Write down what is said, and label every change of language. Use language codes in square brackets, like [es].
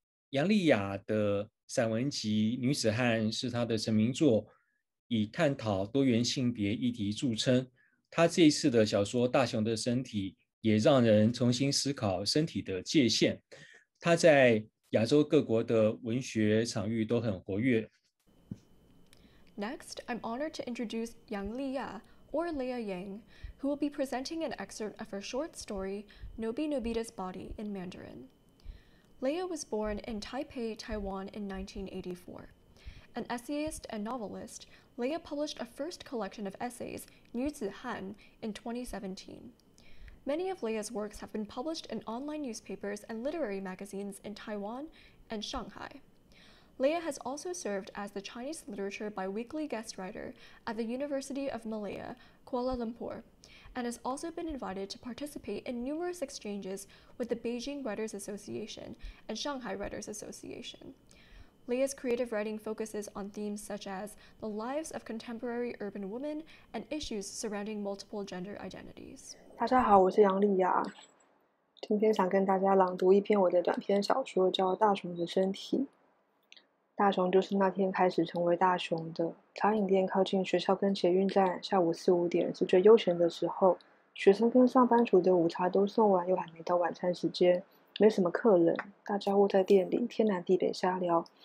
[zh] 杨丽雅的散文集《女子汉》是她的成名作，以探讨多元性别议题著称。她这一次的小说《大雄的身体》也让人重新思考身体的界限。她在亚洲各国的文学场域都很活跃。 [en] Next, I'm honored to introduce Yang Liya, or Leah Yang, who will be presenting an excerpt of her short story, Nobi Nobita's Body, in Mandarin. Leah was born in Taipei, Taiwan, in 1984. An essayist and novelist, Leah published a first collection of essays, Nüzi Han, in 2017. Many of Leah's works have been published in online newspapers and literary magazines in Taiwan and Shanghai. Leah has also served as the Chinese Literature Biweekly guest writer at the University of Malaya, Kuala Lumpur, and has also been invited to participate in numerous exchanges with the Beijing Writers Association and Shanghai Writers Association. Leah's creative writing focuses on themes such as the lives of contemporary urban women and issues surrounding multiple gender identities. [zh] 大家好，我是杨丽雅。今天想跟大家朗读一篇我的短篇小说，叫《大雄的身体》。大雄就是那天开始成为大雄的。茶饮店靠近学校跟捷运站，下午四五点是最悠闲的时候。学生跟上班族的午茶都送完，又还没到晚餐时间，没什么客人，大家窝在店里，天南地北瞎聊。